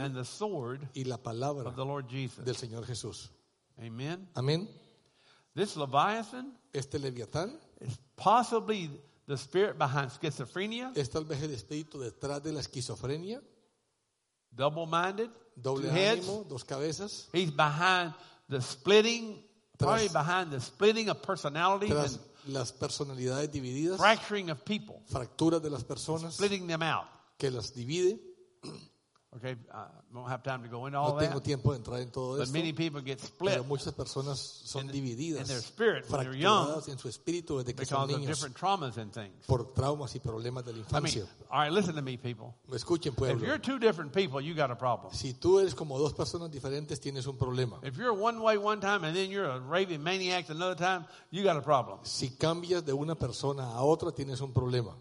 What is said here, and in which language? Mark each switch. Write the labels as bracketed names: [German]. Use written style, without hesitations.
[English] and the sword [Spanish] y la palabra [English] of the Lord Jesus. [Spanish] Del Señor Jesús. [English] Amen. [Spanish] Amén. [English] This Leviathan, [Spanish] este Leviatán, [English] is possibly the spirit behind schizophrenia. [Spanish] Es tal vez el espíritu detrás de la esquizofrenia. [English] Double-minded, [Spanish] doble [English] two [Spanish] ánimo, [English] heads. [Spanish] Dos cabezas. [English] He's behind the splitting, probably behind the splitting of personalities. [Spanish] Tras las personalidades divididas. [English] Fracturing of people. [Spanish] Fracturas de las personas. [English] Splitting them out. [Spanish] Que las divide. [English] Okay, I don't have time to go into all [Spanish] no tengo [English] that. [Spanish] Tiempo de entrar en todo [English] but [Spanish] esto. [English] Many people get split. [Spanish] Pero muchas personas son divididas. [English] In their spirit, when they're young. [Spanish] Fracturadas en su espíritu desde que son niños. [English] Because of different traumas and things. [Spanish] Por traumas y problemas de la infancia. [English] I mean, all right, listen to me, people. [Spanish] Escuchen, pueblo. [English] If you're two different people, you got a problem. [Spanish] Si tú eres como dos personas diferentes, tienes un problema. [English] If you're one way one time and then you're a raving maniac another time, you got a problem. [Spanish] Si cambias de una persona a otra, tienes un problema.